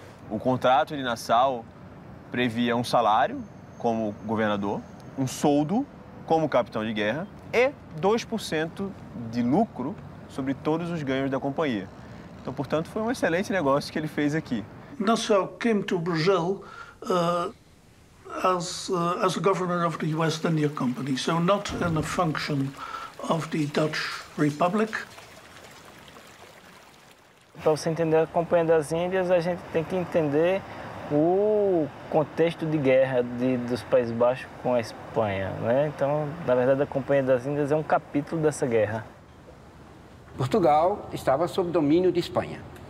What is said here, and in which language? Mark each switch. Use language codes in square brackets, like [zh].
[pt] O contrato de Nassau previa um salário como governador, um soldo como capitão de guerra e 2% de lucro sobre todos os ganhos da companhia. Então, portanto, foi um excelente negócio que ele fez aqui. [en] Nassau came to Brazil as a governor of the West India Company, so not in a function of the Dutch Republic. [pt] Para você entender a Companhia das Índias, a gente tem que entender o contexto de guerra dos Países Baixos com a Espanha, né? Então, na verdade, a Companhia das Índias é um capítulo dessa guerra. Portugal estava sob domínio de Espanha.